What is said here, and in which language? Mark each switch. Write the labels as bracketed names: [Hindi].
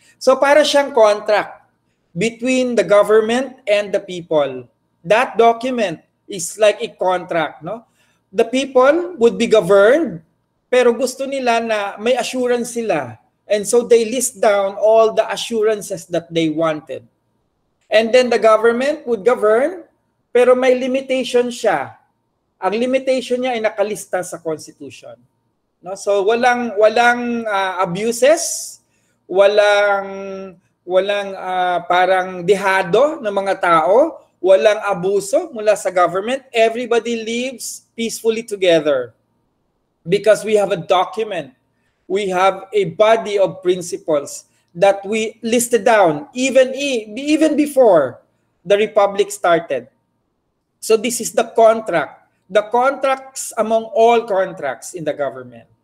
[Filipino] So para siyang [English] contract between the government and the people. That document is like a contract, no? The people would be governed, [Filipino] pero gusto nila na may assurance sila. [English] And so they list down all the assurances that they wanted. And then the government would govern, [Filipino] pero may limitation siya. Ang limitation niya ay nakalista sa constitution. No? So walang abuses, walang parang dehado ng mga tao, walang abuso mula sa government. [English] Everybody lives peacefully together because we have a document. We have a body of principles that we listed down even before the republic started. So this is the contract. The contracts among all contracts in the government.